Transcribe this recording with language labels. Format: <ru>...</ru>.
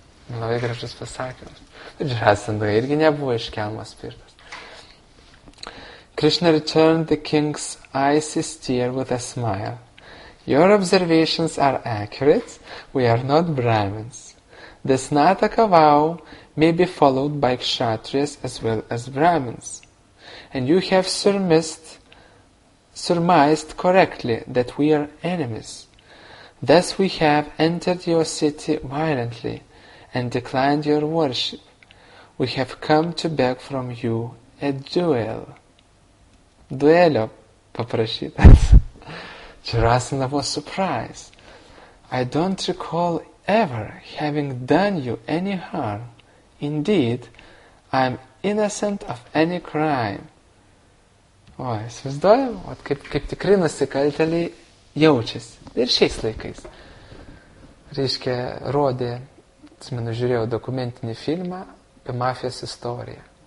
<lt>Labai gražus pasakymas. Jarasandha irgi nebuvo iš kelmo spirtas.</lt> <en>Krishna returned the king's icy stare with a smile. Your observations are accurate. We are not Brahmins. This Nataka vow may be followed by Kshatriyas as well as Brahmins. And you have surmised correctly that we are enemies. Thus we have entered your city violently and declined your worship. We have come to beg from you a duel.</en> <lt>Duelio paprašytas.</lt> <en>Jarasandha was surprised. I don't recall ever having done you any harm. Indeed, I am innocent of any crime.</en> <lt>O, įsivaizduojam, kaip tikri nusikalteliai jaučiasi. Ir šiais laikais. Reiškia, rodė, atsimenu, žiūrėjau dokumentinį filmą apie mafijos istoriją.</lt>